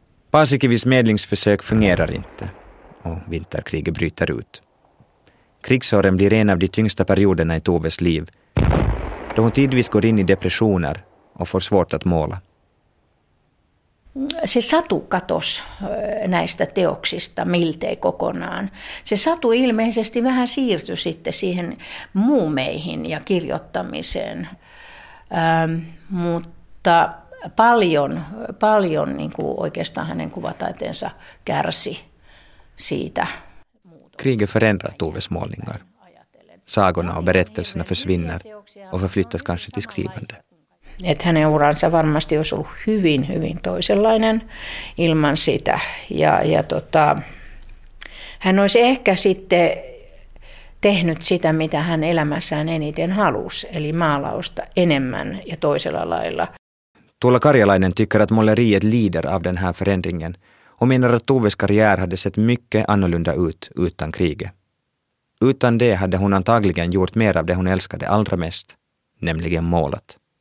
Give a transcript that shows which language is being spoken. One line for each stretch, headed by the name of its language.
Swedish: Paasikivis medlingsförsök fungerar inte och vinterkriget bryter ut. Krigsåren blir en av de tyngsta perioderna i Toves liv, då hon tidvis går in i depressioner och får svårt att måla.
Finnish: Se satu katos näistä teoksista miltei kokonaan. Se satu ilmeisesti vähän siirtyi sitten siihen muumeihin ja kirjoittamiseen. Mutta paljon niin kuin oikeastaan hänen kuvataiteensa kärsi siitä.
Swedish: Kriget förändrar Toves målningar. Sagorna och berättelserna försvinner och förflyttas kanske till skrivande.
Finnish: Et hänen uransa varmasti olisi ollut hyvin, hyvin toisenlainen ilman sitä. Ja hän olisi ehkä sitten tehnyt sitä, mitä hän elämässään eniten halusi, eli maalausta enemmän ja toisella lailla.
Swedish: Tuula Karjalainen tycker att måleriet lider av den här förändringen och menar att Toves karriär hade sett mycket annorlunda ut utan kriget. Utan det hade hon antagligen gjort mer av det hon älskade allra mest, nämligen målat.